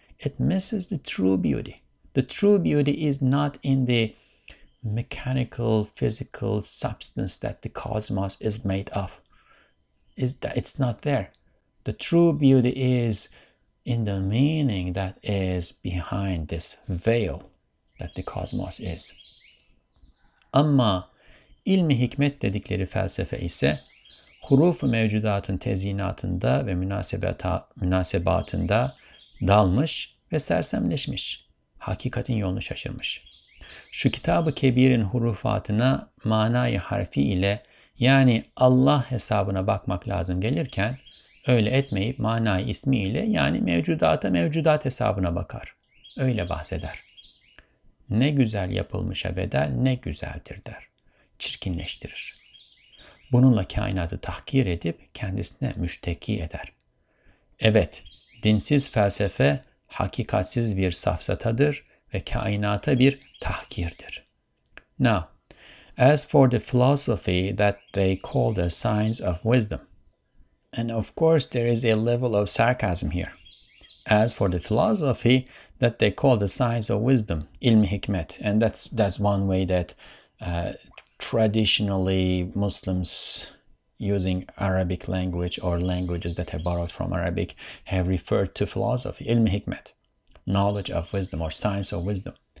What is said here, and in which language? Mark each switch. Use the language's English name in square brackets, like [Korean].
[English] It misses the true beauty. The true beauty is not in the mechanical, physical substance that the cosmos is made of. It's not there. The true beauty is in the meaning that is behind this veil that the cosmos is. [Turkish] Amma ilmi hikmet dedikleri felsefe ise hurufu mevcudatın tezyinatında ve münasebatında dalmış ve sersemleşmiş, hakikatin yolunu şaşırmış. Şu kitab-ı kebirin hurufatına manayı harfi ile, yani Allah hesabına bakmak lazım gelirken, öyle etmeyip manayı ismi ile, yani mevcudata mevcudat hesabına bakar. Öyle bahseder. Ne güzel yapılmışa bedel ne güzeldir der. Çirkinleştirir. Bununla kainatı tahkir edip kendisine müşteki eder. Evet, dinsiz felsefe hakikatsiz bir safsatadır ve kainata bir tahkirdir. [English] Now, as for the philosophy that they call the science of wisdom, and of course there is a level of sarcasm here. As for the philosophy that they call the science of wisdom, ilmi hikmet, and that's one way that traditionally Muslims using Arabic language or languages that have borrowed from Arabic have referred to philosophy, ilmi hikmet, knowledge of wisdom or science of wisdom.